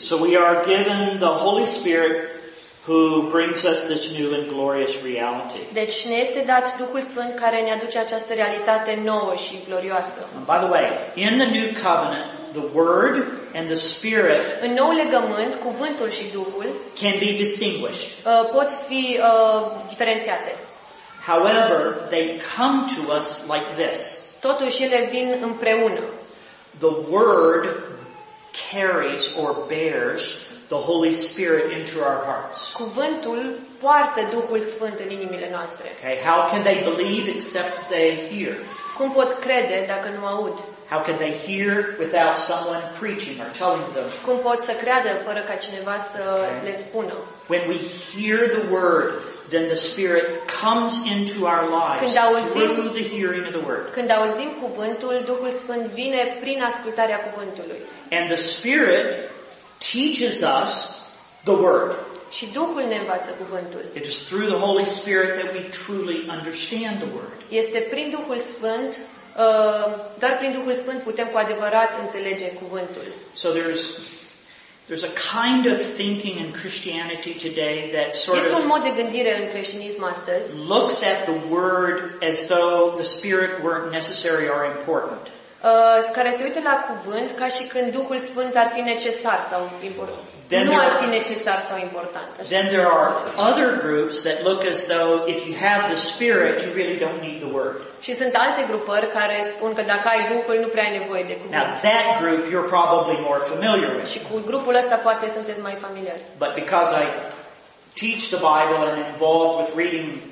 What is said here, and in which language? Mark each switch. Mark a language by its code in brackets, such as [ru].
[en] So we are given the Holy Spirit who brings us this new and glorious reality. [ro] Deci ne este dat Duhul Sfânt care ne aduce această realitate nouă și glorioasă. [en] And by the way, in the new covenant, the word and the spirit, [ro] în nou legământ, cuvântul și Duhul [en] can be distinguished. [ro] Pot fi diferențiate. [en] However, they come to us like this. [ro] Totuși ele vin împreună. [en] The word carries or bears the Holy Spirit into our hearts. [ro] Cuvântul poartă Duhul Sfânt în inimile noastre. [en] Okay, how can they believe except they hear? [ro] Cum pot crede dacă nu aud? [en] How can they hear without someone preaching or telling them? [ro] Cum pot să creadă fără ca cineva să le spună? [en] When we hear the word, then the Spirit comes into our lives through the hearing of the word. [ro] Când auzim cuvântul, Duhul Sfânt vine prin ascultarea cuvântului. [en] And the Spirit teaches us the word. [ro] Și Duhul ne învață cuvântul. [en] It is through the Holy Spirit that we truly understand the word. [ro] Este prin Duhul Sfânt, doar prin Duhul Sfânt putem cu adevărat înțelege cuvântul. [en] So there's a kind of thinking in Christianity today that sort [ro] este un mod de gândire în creștinism astăzi. [en] Looks at the word as though the spirit weren't necessary or important. [ro] Care se uită la cuvânt ca și când Duhul Sfânt ar fi necesar sau important. Then nu ar fi necesar sau important. [en] Then there are other groups that look as though if you have the spirit you really don't need the word. [ro] Și sunt alte grupări care spun că dacă ai Duhul nu prea ai nevoie de cuvânt. [en] Now that group you're probably more familiar with. [ro] Și cu grupul ăsta poate sunteți mai familiar. [en] But because I teach the Bible and involved with reading